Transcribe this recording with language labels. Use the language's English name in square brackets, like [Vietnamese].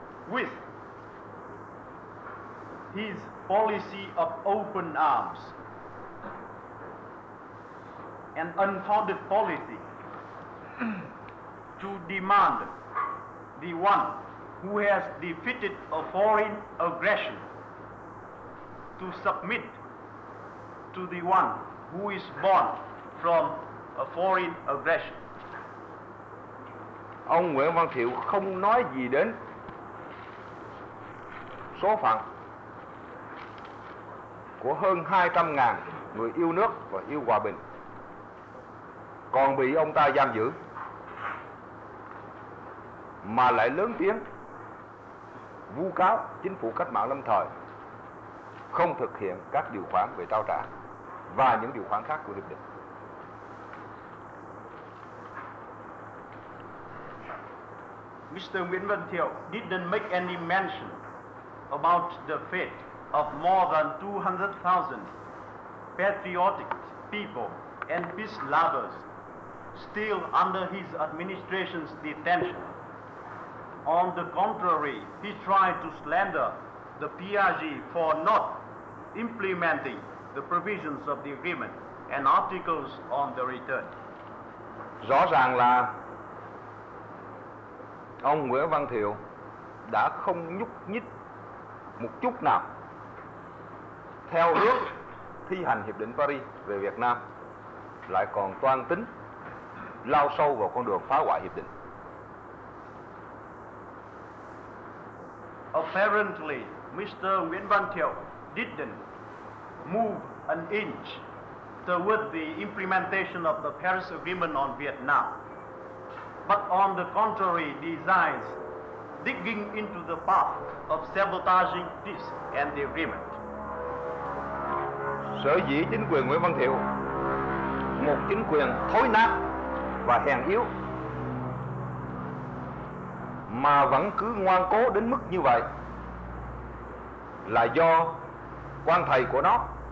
[English] With his policy of open arms and unfounded policy to demand the one who has defeated a foreign aggression to submit to the one who is born from a foreign aggression. [Vietnamese] Ông Nguyễn Văn Thiệu không nói gì đến số phận của hơn 200.000 người yêu nước và yêu hòa bình còn bị ông ta giam giữ, mà lại lớn tiếng vu cáo chính phủ cách mạng lâm thời không thực hiện các điều khoản về trao trả và những điều khoản khác của hiệp định. [English] Mr. Nguyễn Văn Thiệu didn't make any mention about the fate of more than 200,000 patriotic people and peace lovers still under his administration's detention. On the contrary, he tried to slander the PRG for not implementing the provisions of the agreement and articles on the return. [Vietnamese] Rõ ràng là ông Nguyễn Văn Thiệu đã không nhúc nhích một chút nào theo ước thi hành Hiệp định Paris về Việt Nam, lại còn toan tính lao sâu vào con đường phá hoại Hiệp định. [English] Apparently, Mr. Nguyễn Văn Thiệu didn't move an inch toward the implementation of the Paris Agreement on Vietnam, but on the contrary, desires digging into the path of sabotaging peace and the agreement. [Vietnamese] Sở dĩ chính quyền Nguyễn Văn Thiệu, một chính quyền thối nát và hèn yếu, mà vẫn cứ ngoan cố đến mức như vậy, là do quan thầy của nó,